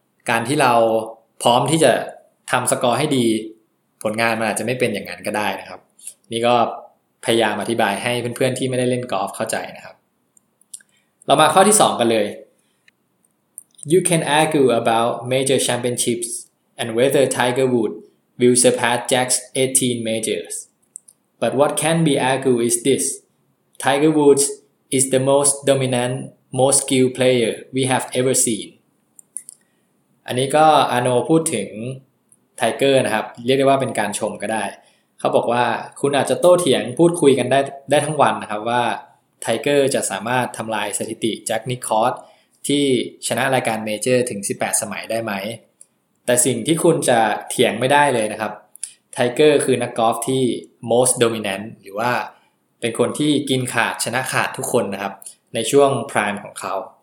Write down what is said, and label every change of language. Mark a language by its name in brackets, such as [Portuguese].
[Thai] การที่เราพร้อมที่จะทำสกอร์ให้ดีผลงานมันอาจจะไม่เป็นอย่างนั้นก็ได้นะครับนี่ก็พยายามอธิบายให้เพื่อนๆที่ไม่ได้เล่นกอล์ฟเข้าใจนะครับเรามาข้อที่2กันเลย [English] You can argue about major championships and whether Tiger Woods will surpass Jack's 18 majors. But what can be argued is this. Tiger Woods is the most dominant, most skilled player we have ever seen. [Thai] อันนี้ก็อาโนพูดถึงไทเกอร์นะครับเรียกได้ว่าเป็นการชมก็ได้เขาบอกว่าคุณอาจจะโต้เถียงพูดคุยกันได้ทั้งวันนะครับว่าไทเกอร์จะสามารถทำลายสถิติแจ็คนิคคอร์สที่ชนะรายการเมเจอร์ถึง18สมัยได้ไหมแต่สิ่งที่คุณจะเถียงไม่ได้เลยนะครับไทเกอร์คือนักกอล์ฟที่ [English] most dominant [Thai] หรือว่าเป็นคนที่กินขาดชนะขาดทุกคนนะครับในช่วงไพรม์ของเขา